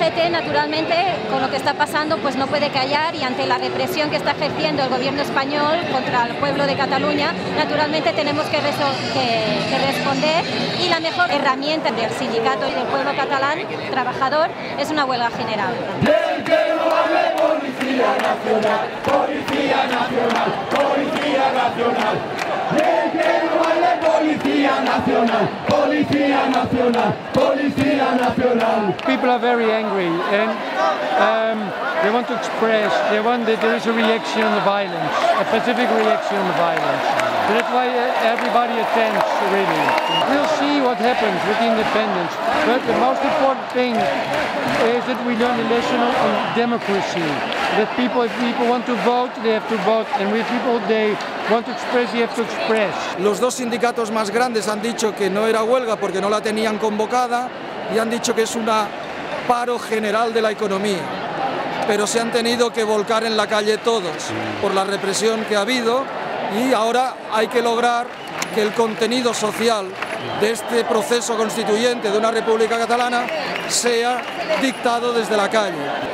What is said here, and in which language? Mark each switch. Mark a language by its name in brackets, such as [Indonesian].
[Spanish] Naturalmente, con lo que está pasando, pues no puede callar, y ante la represión que está ejerciendo el gobierno español contra el pueblo de Cataluña, naturalmente tenemos que responder, y la mejor herramienta del sindicato y del pueblo catalán trabajador es una huelga general. ¡Bien, que no hable Policía Nacional! ¡Policía Nacional! ¡Policía Nacional! ¡Bien, que no hable Policía Nacional! ¡Policía Nacional! ¡Policía Nacional! [English] People are very angry. And they want to express, they want that there is a reaction on the violence, a specific reaction on the violence. That's why everybody attends, really. We'll see what happens with the independence. But the most important thing is that we learn a lesson on democracy. That people, if people want to vote, they have to vote. And if people, they want to express, they have to express. [Spanish] Los dos sindicatos más grandes han dicho que no era huelga porque no la tenían convocada, y han dicho que es una paro general de la economía, pero se han tenido que volcar en la calle todos por la represión que ha habido, y ahora hay que lograr que el contenido social de este proceso constituyente de una república catalana sea dictado desde la calle.